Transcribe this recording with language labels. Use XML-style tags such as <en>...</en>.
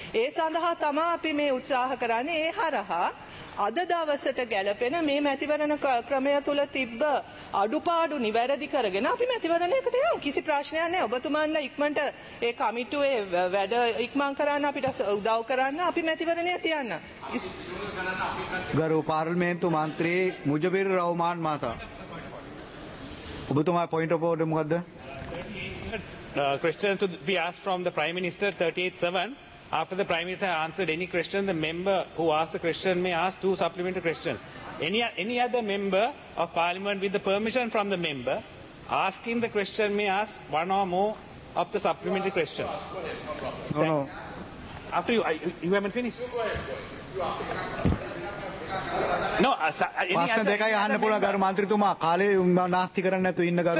<si>ඒ සඳහා තමයි අපි මේ උත්සාහ කරන්නේ. ඒ හරහා අද දවසට ගැලපෙන මේ මැතිවරණ ක්‍රමය තුළ තිබ්බ අඩුපාඩු නිවැරදි කරගෙන අපි මැතිවරණයකට යමු. කිසි ප්‍රශ්නයක් නැහැ. ඔබතුමන්ලා ඉක්මනට ඒ කමිටුවේ වැඩ ඉක්මන් කරන්න අපිට උදව් කරන්න අපි මැතිවරණය තියන්න. ගරු පාර්ලිමේන්තු මන්ත්‍රී මුජබිර් රෞමාන් මහතා. ඔබතුමා පොයින්ට් ඔෆ් ඕඩර් මොකද්ද?</si> <en>Question to be asked from the Prime Minister 38-7. After the Prime Minister answered any question, the member who asked the question may ask two supplementary questions. Any other member of Parliament with the permission from the member asking the question may ask one or more of the supplementary questions. No, then, no. After you haven't finished.</en> <si>ප්‍රශ්න දෙකයි අහන්න පුළුවන් ගරු මන්ත්‍රීතුමා කාලේ නාස්ති කරන්න නැතු ඉන්න ගරු</si>